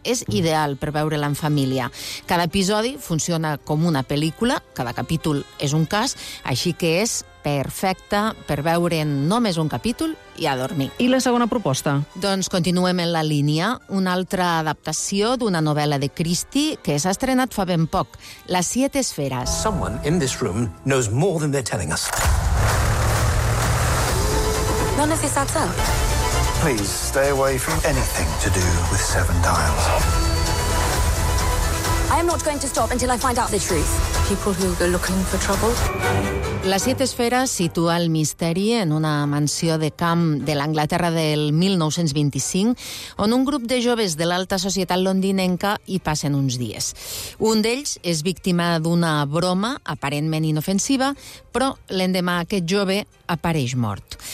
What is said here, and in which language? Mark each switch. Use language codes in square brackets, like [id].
[ca] És ideal per veure-la en família. Cada episodi funciona com una pel·lícula, cada capítol és un cas, així que és perfecta per veure'n només un capítol i a dormir. I la segona proposta? Doncs continuem en la línia. Una altra adaptació d'una novel·la de Christie que s'ha estrenat fa ben poc, Les Siete Esferes. [en] Someone in this room knows more than they're telling us. None of this adds up. Please stay away from anything to do with Seven Dials. I am not going to stop until I find out the truth. People who go looking for trouble. [ca] Les Siete Esferes situa el misteri en una mansió de camp de l'Anglaterra del 1925, on un grup de joves de l'alta societat londinenca hi passen uns dies. Un d'ells és víctima d'una broma aparentment inofensiva, però l'endemà aquest jove apareix mort.